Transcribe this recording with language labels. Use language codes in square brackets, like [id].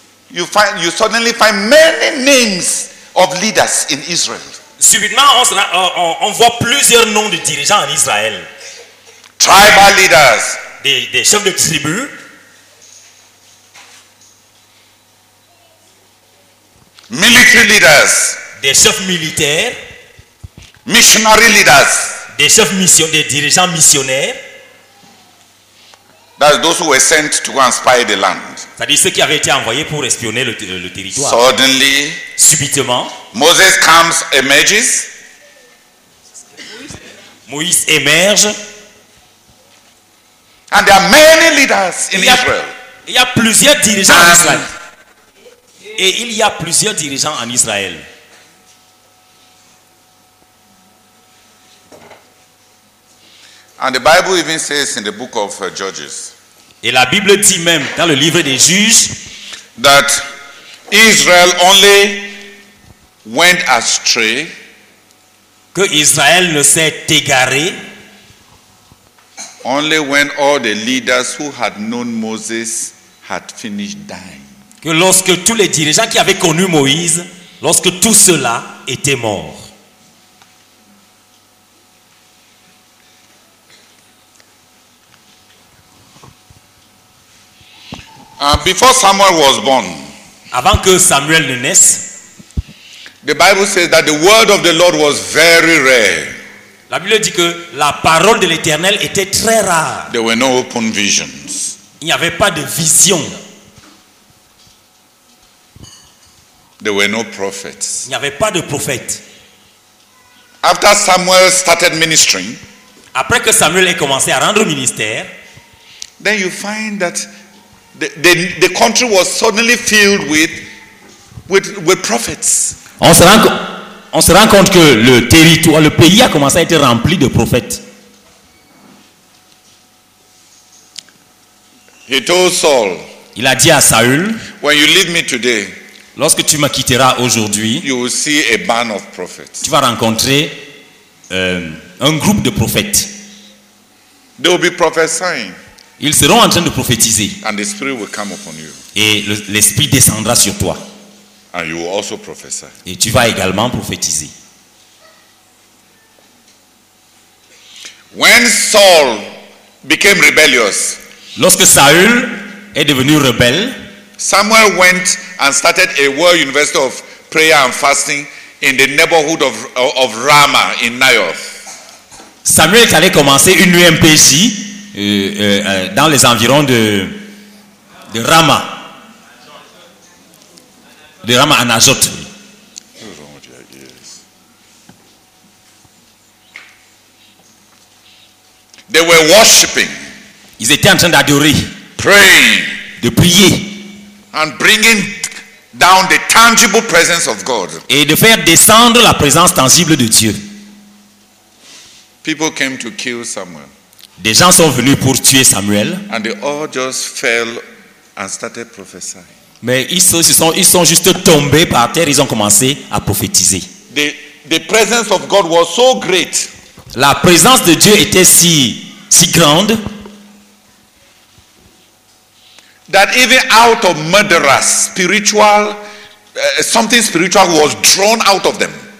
[en] you suddenly find many names of leaders in Israel. [fr] Subitement, on voit plusieurs noms de dirigeants en Israël. [en] Tribal leaders. [fr] Des chefs de tribu. [en] Military leaders. [fr] Des chefs militaires. [en] Missionary leaders. [fr] Des chefs mission, des dirigeants missionnaires. [en] That's those who were sent to go and spy the land. [fr] C'est-à-dire ceux qui avaient été envoyés pour espionner le territoire. [en] Suddenly, [fr] subitement, [en] Moses comes, emerges. [fr] Moïse émerge. [en] And there are many leaders in Israel. [fr] Il y a plusieurs dirigeants en Israël. Et il y a plusieurs dirigeants en Israël. [en] And the Bible even says in the book of Judges. [fr] Et la Bible dit même dans le livre des Juges [en] that Israel only went astray. [fr] Que Israël ne s'est égaré. [en] Only when all the leaders who had known Moses had finished dying. [fr] Que lorsque tous les dirigeants qui avaient connu Moïse, lorsque tout cela était mort. [en] Before Samuel was born, [fr] avant que Samuel ne naisse, [en] the Bible says that the word of the Lord was very rare. [fr] La Bible dit que la parole de l'Éternel était très rare. [en] There were no open visions. [fr] Il n'y avait pas de vision. [en] There were no prophets. [fr] Il n'y avait pas de prophète. [en] After Samuel started ministering, [fr] après que Samuel ait commencé à rendre ministère, [en] then you find that the country was suddenly filled with prophets. [fr] On se rend compte que le territoire, le pays a commencé à être rempli de prophètes. [en] He told Saul, [fr] il a dit à Saül, [en] when you leave me today, [fr] lorsque tu me quitteras aujourd'hui, [en] you will see a band of prophets. [fr] Tu vas rencontrer un groupe de prophètes. [en] They will be prophesying. [fr] Ils seront en train de prophétiser. [en] And the Spirit will come upon you. [fr] Et l'Esprit descendra sur toi. [en] And you will also prophesy. [fr] Et tu vas également prophétiser. [en] When Saul became rebellious, [fr] lorsque Saül est devenu rebelle, [en] Samuel went and started a world university of prayer and fasting in the neighborhood of Ramah in Nioth. [fr] Samuel est allé commencer une UMPJ dans les environs de Ramah. De Rama à Najot. [en] They were worshiping. [fr] Ils étaient en train d'adorer. [en] Praying. [fr] De prier. [en] And bringing down the tangible presence of God. [fr] Et de faire descendre la présence tangible de Dieu. [en] People came to kill Samuel. [fr] Des gens sont venus pour tuer Samuel. [en] And they all just fell and started prophesying. [fr] Mais ils sont juste tombés par terre, ils ont commencé à prophétiser. [en] The presence of God was so great. [fr] La présence de Dieu était si grande. [en] That even out of murderers, spiritual something spiritual was drawn out of them.